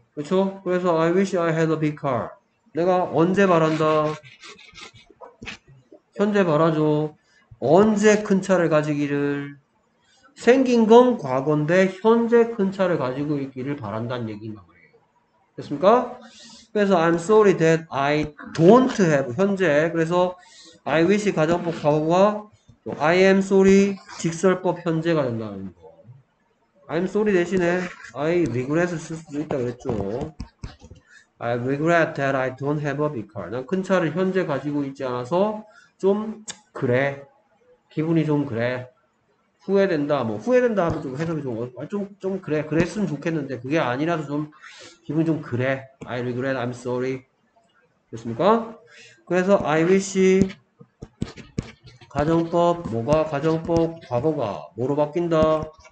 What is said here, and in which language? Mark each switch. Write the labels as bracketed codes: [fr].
[ko] 그렇죠? 그래서 [en] I wish I had a big car. [ko] 내가 언제 바란다? 현재 바라죠. 언제 큰 차를 가지기를? 생긴 건 과거인데 현재 큰 차를 가지고 있기를 바란다는 얘기인 거예요. 됐습니까? 그래서 [en] I'm sorry that I don't have [ko] 현재. 그래서 [en] I wish [ko] 가정법 과거가 [en] I am sorry [ko] 직설법 현재가 된다는 거. [en] I'm sorry [ko] 대신에 [en] I regret [ko] 을 쓸 수도 있다고 그랬죠. [en] I regret that I don't have a big car. [ko] 난큰 차를 현재 가지고 있지 않아서 좀 그래. 기분이 좀 그래. 후회된다, 뭐, 후회된다 하면 좀 해석이 좀 그래. 그랬으면 좋겠는데, 그게 아니라서 좀, 기분이 좀 그래. [en] I regret, I'm sorry. [ko] 됐습니까? 그래서, I wish, 가정법, 뭐가, 가정법, 과거가, 뭐로 바뀐다?